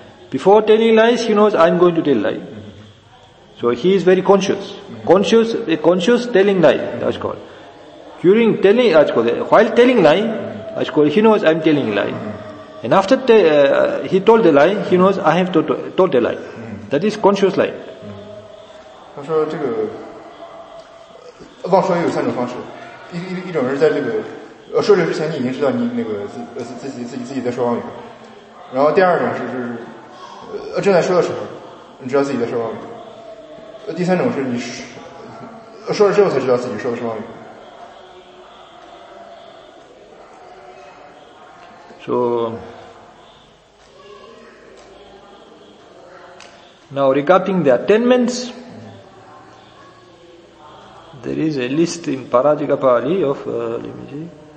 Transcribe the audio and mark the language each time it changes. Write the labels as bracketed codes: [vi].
[en] Before telling lies, he knows I am going to tell lie. So he is very conscious. Conscious telling lie, that's called. During telling, that's called. While telling lie, that's called. He knows I am telling lie. And after he told the lie, he knows I have told the lie. That is conscious lie. [zh] 他说这个忘说有三种方式，一种是在这个说这之前你已经知道你那个自己在说妄语，然后第二种是正在说的时候你知道自己在说妄语，第三种是你说了之后才知道自己说的是妄语。 [en] So now regarding the attainments, there is a list in Paradika Pali of let me see.